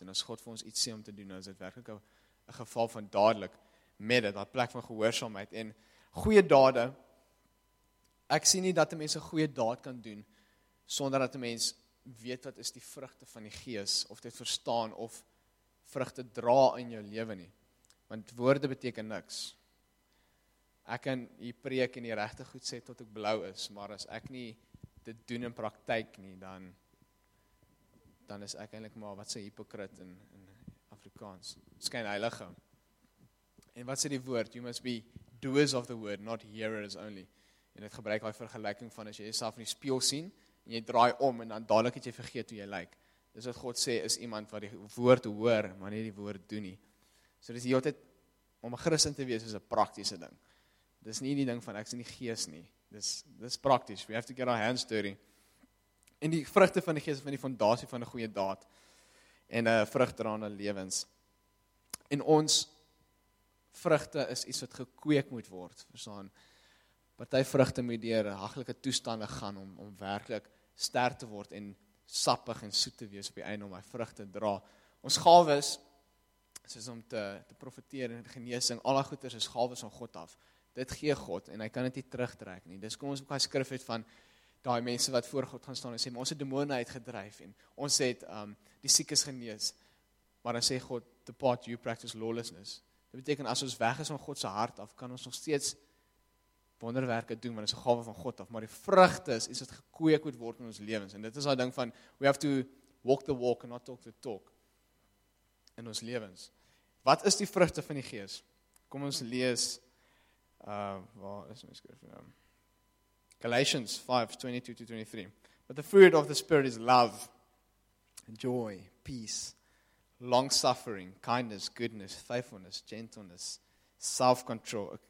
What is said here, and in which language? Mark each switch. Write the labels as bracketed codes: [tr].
[af] En as God vir ons iets sê om te doen, dan is dit werklik 'n geval van dadelik met dit, dat plek van gehoorsaamheid. En goeie dade, ek sien nie dat 'n mens 'n goeie daad kan doen sonder dat 'n mens weet wat is die vrugte van die gees, of dit verstaan of vrugte dra in jou lewe nie. Want woorde beteken niks. Ek kan hier preek en die regte goed sê tot ek blou is, maar as ek nie dit doen in praktyk nie, dan is ek eintlik maar wat sê hypocrite in Afrikaans. Skyn heilige. En wat sê die woord? [en] You must be doers of the word, not hearers only. [af] En dit gebruik daai vergelyking van as jy jouself in die spieël sien en jy draai om en dan dadelik het jy vergeet hoe jy lyk. Dis wat God sê is iemand wat die woord hoor, maar nie die woord doen nie. So dis die hele tyd, om 'n Christen te wees is 'n praktiese ding. Dis nie die ding van ek is in die gees nie. Dis prakties. [en] We have to get our hands dirty. [af] En die vrugte van die gees is van die fondasie van 'n goeie daad en 'n vrugdraende lewens. En ons vrugte is iets wat gekweek moet word. Verstaan? Party vrugte moet deur haglike toestande gaan om werklik sterk te word en sappig en soet te wees op die einde om hy vrugte dra. Ons gawes is om te profeteer en genesing. Al daai goeders is gawes van God af. Dit gee God en hy kan dit nie terugtrek nie. Dis kom ons ook daai skrif het van daai mense wat voor God gaan staan en sê, maar ons het demone uitgedryf en ons het die siekes genees. Maar dan sê God, [en] depart you practice lawlessness. [af] Dit beteken as ons weg is van God se hart af, kan ons nog steeds wonderwerke doen, want dit is 'n gawe van God af. Maar die vrugte is iets wat gekweek moet word in ons lewens. En dit is daai ding van, [en] we have to walk the walk and not talk the talk [af] in ons lewens. Wat is die vrugte van die gees? Kom ons lees, waar is my skrif nou? [en] Galatians 5:22-23. But the fruit of the Spirit is love, joy, peace, long-suffering, kindness, goodness, faithfulness, gentleness, self-control.